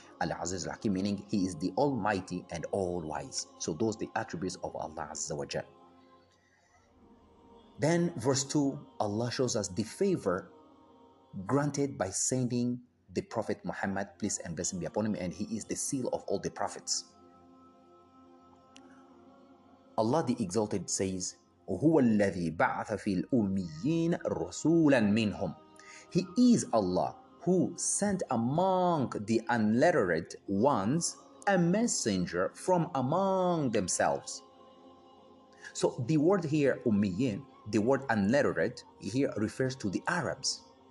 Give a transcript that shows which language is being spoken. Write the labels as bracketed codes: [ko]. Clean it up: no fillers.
[en] Al-Aziz Al-Hakim, meaning He is the Almighty and All-Wise. So those are the attributes of Allah Azza wa Jal. Then verse 2, Allah shows us the favor granted by sending the Prophet Muhammad, peace and blessing be upon him, and he is the seal of all the prophets. [ar] Allah the Exalted says, هو الذي بعث في الأميين رسولا منهم. [en] He is Allah who sent among the unlettered ones a messenger from among themselves. So the word here, Ummiyin, the word unlettered here refers to the Arabs.